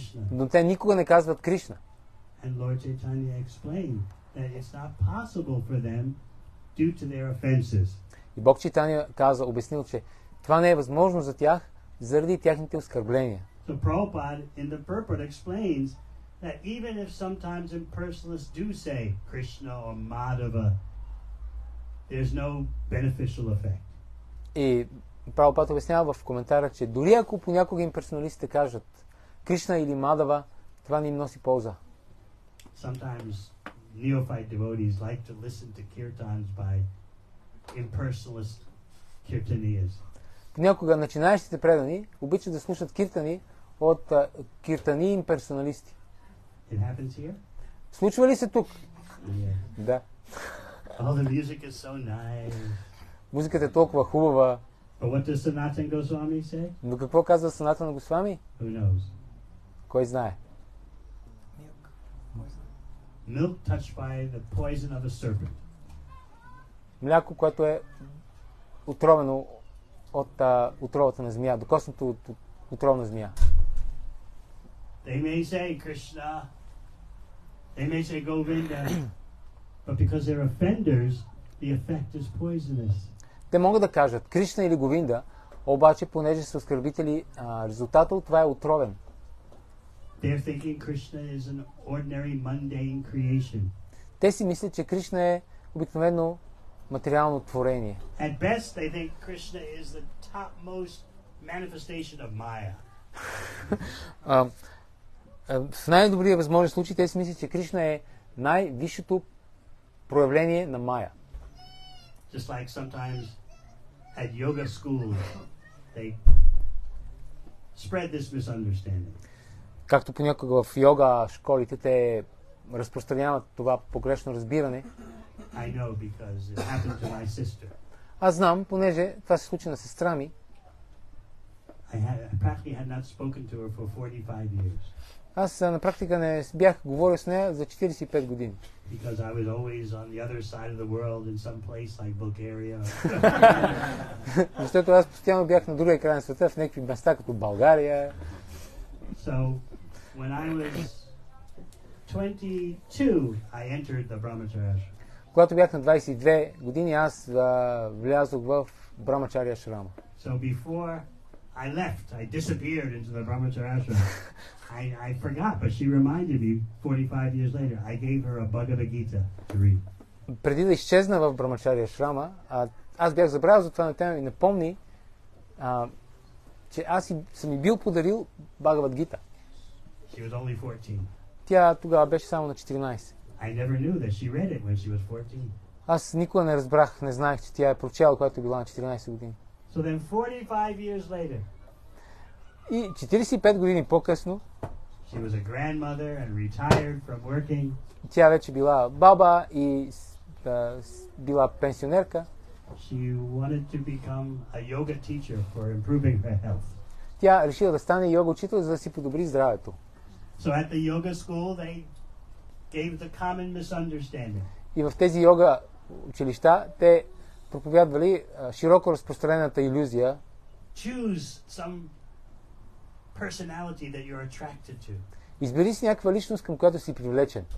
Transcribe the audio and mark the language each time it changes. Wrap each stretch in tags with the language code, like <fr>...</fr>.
<bg>Но те никога не казват Кришна.</bg> <en>And Lord Chaitanya explained that it's not possible for them due to their offenses.</en> <bg>И Бог читания каза, обяснил, че това не е възможно за тях заради тяхните оскърбления.</bg> <en>The Prabhupada in the purport explains that even if sometimes impersonalists do say Krishna or Madhava, there's no beneficial effect.</en> <bg>И Прабхупада обяснява в коментара, че дори ако понякога имперсоналистите кажат Кришна или Мадава, това не им носи полза.</bg> <en>Sometimes neophyte devotees like to listen to kirtans by impersonalist kirtaniyas.</en> <bg>Понякога начинаещите предани обичат да слушат киртани от киртани имперсоналисти.</bg> <en>It happens here?</en> <bg>Случва ли се тук?</bg> <en>Yeah.</en> <bg>Да.</bg> <en>All the music is so nice.</en> <bg>Музиката е толкова хубава.</bg> <en>But what does Sanatana Goswami say?</en> <bg>Но какво казва Санатана Госвами?</bg> <en>Who knows?</en> <bg>Кой знае?</bg> <en>Milk. Milk touched by the poison of a serpent.</en> <bg>Мляко, което е отровено от отровата на змия, докоснато от отровна змия.</bg> <en>They may say Krishna. They may say Govinda. But because they're offenders, the effect is poisonous.</en> <bg>Те могат да кажат Кришна или Говинда, обаче понеже са оскърбители, резултатът от това е отровен.</bg> <en>They're thinking Krishna is an ordinary mundane creation.</en> <bg>Те си мислят, че Кришна е обикновено материално творение.</bg> <en>At best they think Krishna is the topmost manifestation of Maya.</en> <bg>В най-добрия възможен случай те си мислят, че Кришна е най-висшето проявление на Maya.</bg> <en>Just like sometimes at yoga schools they spread this misunderstanding.</en> <bg>Както понякога в йога школите те разпространяват това погрешно разбиране.</bg> <en>I know because it happened to my sister.</en> <bg>Аз знам, понеже това се случи на сестра ми.</bg> <en>I practically had not spoken to her for 45 years.</en> <bg>Аз на практика не бях говорил с нея за 45 години.</bg> <en>Because I was always on the other side of the world in some place like Bulgaria.</en> <bg>Защото аз постоянно бях на другия край на света, в някакви места като България.</bg> <en>So when I was 22, I entered the Brahmacharya ashram.</en> <bg>Когато бях на 22 години, аз влязох в Брахмачарья ашрама.</bg> <en>So before I left, I disappeared into the Brahmacharya ashram. I forgot, but she reminded me 45 years later. I gave her a Bhagavad Gita to read.</en> <bg>Преди да изчезна в Брахмачарья ашрама, аз бях забравил за това, на тема и напомни, че аз съм и бил подарил Бхагавад Гита.</bg> <en>She was only 14.</en> <bg>Тя тогава беше само на 14.</bg> <en>I never knew that she read it when she was 14.</en> <bg>Аз никога не разбрах, не знаех, че тя е прочела, когато била на 14 години.</bg> <en>So then 45 years later.</en> <bg>И 45 години по-късно.</bg> <en>She was a grandmother and retired from working.</en> <bg>Тя вече била баба и била пенсионерка.</bg> <en>She wanted to become a yoga teacher for improving her health.</en> <bg>Тя решила да стане йога учител, за да си подобри здравето.</bg> <en>So at the yoga school they gave the common misunderstanding.</en> <bg>И в тези йога училища те проповядвали широко разпространената илюзия.</bg> <en>Choose some personality that you're attracted to.</en> <bg>Избери си някаква личност, към която си привлечен.</bg>